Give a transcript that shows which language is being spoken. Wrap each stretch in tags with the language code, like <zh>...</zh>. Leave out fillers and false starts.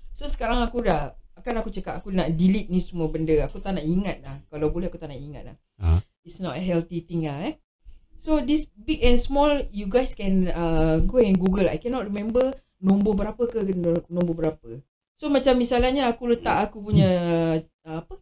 <ms>So sekarang aku dah, kan aku cakap aku nak delete ni semua benda. Aku tak nak ingat lah. Kalau boleh aku tak nak ingat lah.</ms> <en>It's not a healthy thing</en> <ms>lah eh.</ms> <en>So this big and small, you guys can go and google. I cannot remember</en> <ms>nombor berapa ke nombor berapa. So macam misalnya aku letak aku punya apa?</ms>